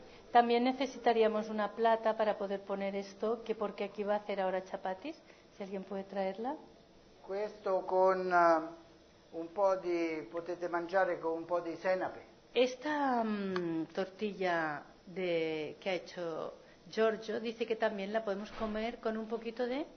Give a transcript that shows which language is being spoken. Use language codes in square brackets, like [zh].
[es] También necesitaríamos una plata para poder poner esto, que porque aquí va a hacer ahora chapatis, si alguien puede traerla. [it] Questo con un po' di potete mangiare con un po' di senape. [es] Esta tortilla de que ha hecho Giorgio dice que también la podemos comer con un poquito de...